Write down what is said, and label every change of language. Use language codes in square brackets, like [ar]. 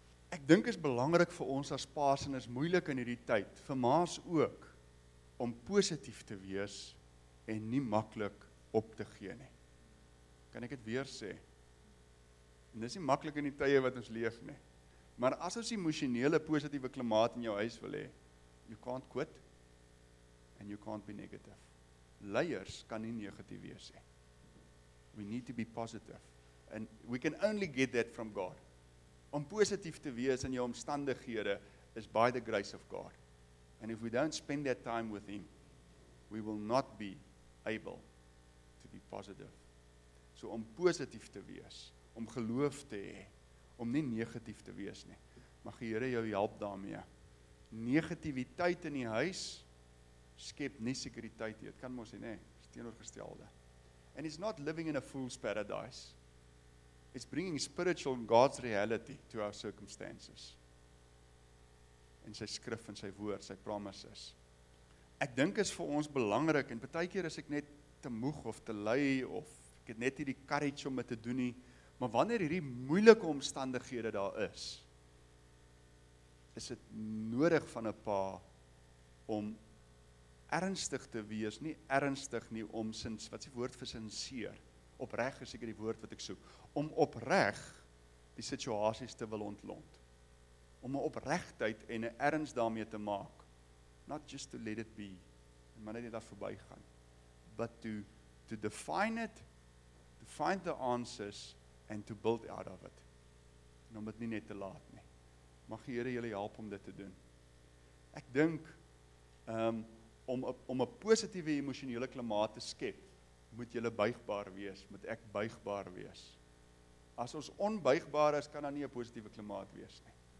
[af] Ek dink is belangrik vir ons as paas en is moeilik in hierdie tyd vir ma's ook om positief te wees en nie maklik op te gee nie. Kan ek dit weer sê? En dis nie maklik in die tye wat ons leef nie. Maar as ons emosionele positiewe klimaat in jou huis wil hê, [en] you can't quit and you can't be negative. [af] Leiers kan nie negatief wees nie. [en] We need to be positive and we can only get that from God. [af] Om positief te wees in jou omstandighede is [en] by the grace of God. And if we don't spend that time with him, we will not be able to be positive. [af] So om positief te wees, om geloof te hê, om nie negatief te wees nie. Mag die Here jou help daarmee. Negativiteit in die huis skep nie sekuriteit nie. Dit kan mos nie, is teenoorgestelde. [en] And it's not living in a fool's paradise. It's bringing spiritual God's reality to our circumstances. [af] In sy skrif en sy woord, sy promises. Ek dink is vir ons belangrik en partykeer as ek net te moeg of te lui of ek het net hierdie courage om dit te doen nie, maar wanneer hierdie moeilike omstandighede daar is, is dit nodig van 'n pa om ernstig te wees, nie ernstig nie, om sins, wat is die woord vir sinseer? Opreg is seker die woord wat ek soek. Om opreg die situasies te wil ontlont. Om 'n opregtheid en 'n erns daarmee te maak. [en] Not just to let it be, [af] en maar net dit daar verbygaan. [en] But to define it, to find the answers, and to build out of it. [af] En om dit nie net te laat nie. Mag die Here julle help om dit te doen. Ek dink, om 'n positiewe emosionele klimaat te skep, moet julle buigbaar wees, moet ek buigbaar wees. As ons onbuigbaar is, kan daar nie 'n positiewe klimaat wees nie.